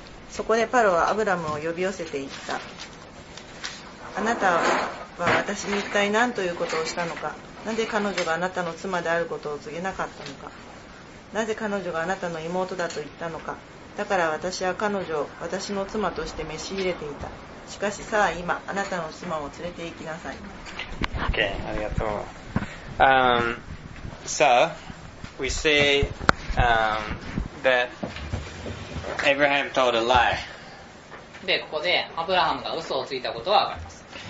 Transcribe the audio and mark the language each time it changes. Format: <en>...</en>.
<ja>そこでファロはアブラムを呼び寄せていった。あなたは私に一体何ということをしたのか。なぜ彼女があなたの妻であることを告げなかったのか。なぜ彼女があなたの妹だと言ったのか。だから私は彼女を私の妻として召し入れていた。しかしさあ今あなたの妻を連れて行きなさい。 OK, ありがとう。</ja> <en>So, we see, that Abraham told a lie.</en> <ja>で、ここでアブラハムが嘘をついたことがわかります。</ja>